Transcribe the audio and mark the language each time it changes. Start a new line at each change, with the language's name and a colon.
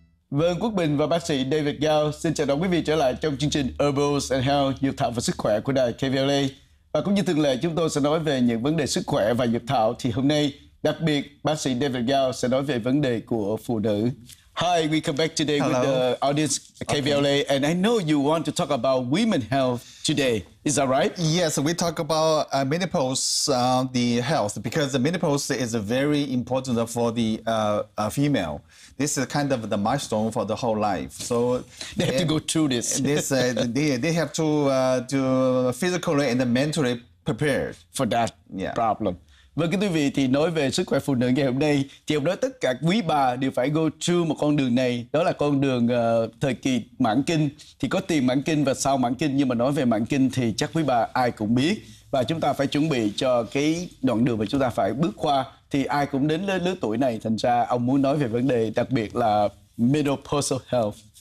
Vietnamese: Vâng, Quốc Bình và bác sĩ David Gao xin chào đón quý vị trở lại trong chương trình Herbals and Health, dược thảo và sức khỏe của đài KVLA. Và cũng như thường lệ, chúng tôi sẽ nói về những vấn đề sức khỏe và dược thảo. Thì hôm nay, đặc biệt, bác sĩ David Gao sẽ nói về vấn đề của phụ nữ.
English: Hi, we come back today with the audience at KVLA. Okay. And I know you want to talk about women's health today. Is that right? Yes, we talk about menopause, the health, because the menopause is very important for the female. This is kind of the milestone for the whole life. So they have to go through this. they have to do physically and mentally prepared for that problem.
Vietnamese: Vâng, kính thưa quý vị, thì nói về sức khỏe phụ nữ ngày hôm nay, thì ông nói tất cả quý bà đều phải
English: go through
Vietnamese: một con đường này, đó là con đường thời kỳ mãn kinh, thì có tiền mãn kinh và sau mãn kinh, nhưng mà nói về mãn kinh thì chắc quý bà ai cũng biết, và chúng ta phải chuẩn bị cho cái đoạn đường mà chúng ta phải bước qua, thì ai cũng đến lứa tuổi này, thành ra ông muốn nói về vấn đề đặc biệt là menopausal health.